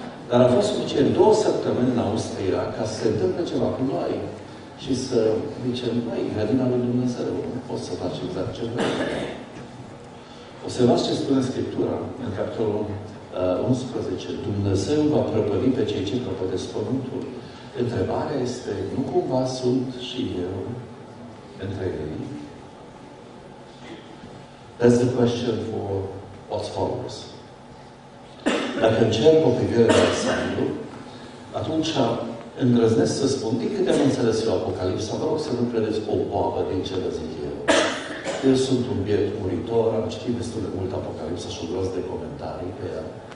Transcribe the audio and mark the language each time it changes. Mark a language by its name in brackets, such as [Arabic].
[Romanian] Dar a fost suficient două săptămâni în Austria ca să se întâmple ceva cu noi și să zicem, măi, grădina lui Dumnezeu, nu poți să faci exact ce vrei. Observați ce spune Scriptura în capitolul 11. Dumnezeu va prăpădi pe cei ce prăpădesc pământul. Întrebarea este, nu cumva sunt și eu între ei? [English] That's the question for what follows. [Romanian] Dacă încerc o privire de Alexandru, atunci îndrăznesc să spun, din câte am înțeles eu Apocalipsa, vă rog să nu credeți o boabă din ce vă zic eu. Eu sunt un biet muritor, am citit destul de mult Apocalipsa și un gros de comentarii pe ea.